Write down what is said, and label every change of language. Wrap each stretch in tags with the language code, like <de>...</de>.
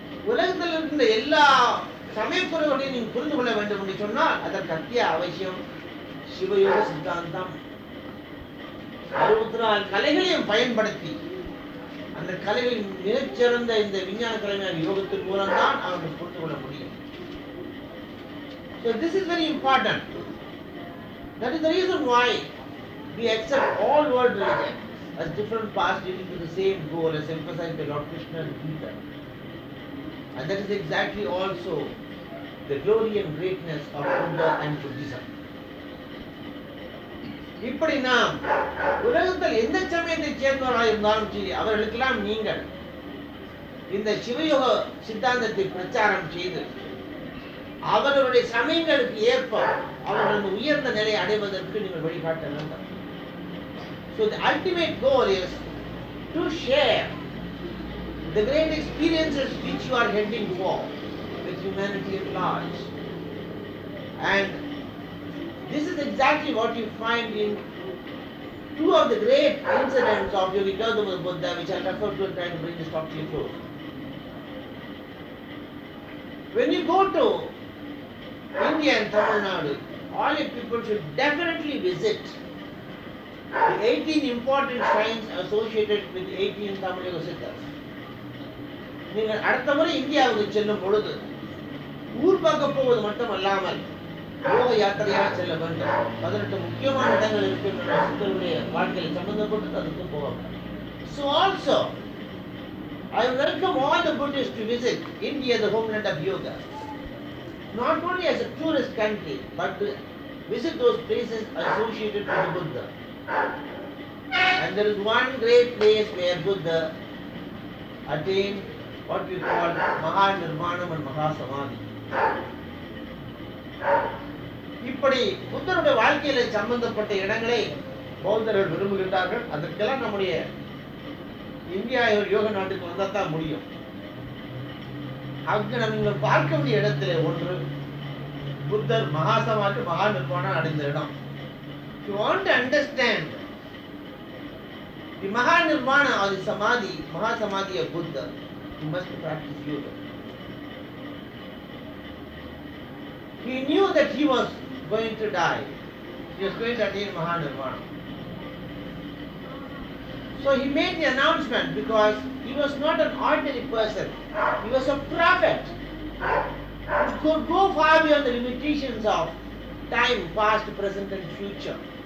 <ta>உலகத்தில் இருக்கின்ற எல்லா சமயக்குறைகளையும் நீங்கள் புரிந்து கொள்ள வேண்டும் என்று சொன்னால் அதற்கு அத்திய அவசியம் சிவயோக சித்தாந்தம். 64 கலைகளையும் பயன்படுத்தி அந்த கலைகளின் மிகச்சிறந்த இந்த விஞ்ஞான கலைஞர் யோகத்தின் மூலம் தான் அவர்கள் புரிந்து கொள்ள முடியும்.</ta> <en>So this is very important. That is the reason why we accept all world religions as different paths leading to the same goal as emphasized by Lord Krishna and Gita. And that is exactly also the glory and greatness of Buddha and Buddhism.</en> <ta>இப்படி நாம் உலகத்தில் எந்த சமயத்தை சேர்ந்தவராக இருந்தாலும் சரி, அவர்களுக்கெல்லாம் நீங்கள் இந்த சிவயோக சித்தாந்தத்தை பிரச்சாரம் செய்து அவர்களுடைய சமயங்களுக்கு ஏற்ப அவர்கள் உயர்ந்த நிலையை அடைவதற்கு நீங்கள் வழிகாட்ட வேண்டும்.</ta> <en>So the ultimate goal is to share the great experiences which you are heading for with humanity at large. And this is exactly what you find in two of the great incidents of your Gautama Buddha, which I refer to trying to bring this talk to you close. When you go to India and Tamil Nadu, all your people should definitely visit the 18 important shrines associated with 18 Tamil Yoga Siddhas.</en> <ta>நீங்கள் அடுத்த முறை இந்தியாவுக்கு செல்லும் பொழுது ஊர் பார்க்க போவது மட்டும் அல்லாமல் யோக யாத்திரையாக செல்ல வேண்டும். 18 முக்கியமான இடங்கள் இருக்கின்ற சித்தருடைய வாழ்க்கையில் சம்பந்தப்பட்டு அதுக்கு போவாங்க.</ta> <en>So also, I welcome all the Buddhists to visit India, the homeland of yoga. Not only as a tourist country, but to visit those places associated with the Buddha. And there is one great place where Buddha attained what we call Mahanirvanam and Mahasamadhi.</en> <ta>இப்படி புத்தருடைய வாழ்க்கையில சம்பந்தப்பட்ட இடங்களை பௌத்தர்கள் விரும்புகின்றார்கள். அதற்கெல்லாம் நம்முடைய India யோக நாட்டுக்கு வந்தால் தான் முடியும். அங்கு நம்ம பார்க்க வேண்டிய இடத்துல ஒன்று புத்தர் மகாசமாதி மகா நிர்வாணம் அடைந்த இடம்.</ta> <en>You want to understand the</en> <ta>மகா நிர்வாணம் அது சமாதி மகாசமாதி புத்தர்,</ta> <en>you must practice yoga. He knew that he was going to die. He was going to attain Mahanirvana. So he made the announcement because he was not an ordinary person. He was a prophet who could go far beyond the limitations of time, past, present and future.</en>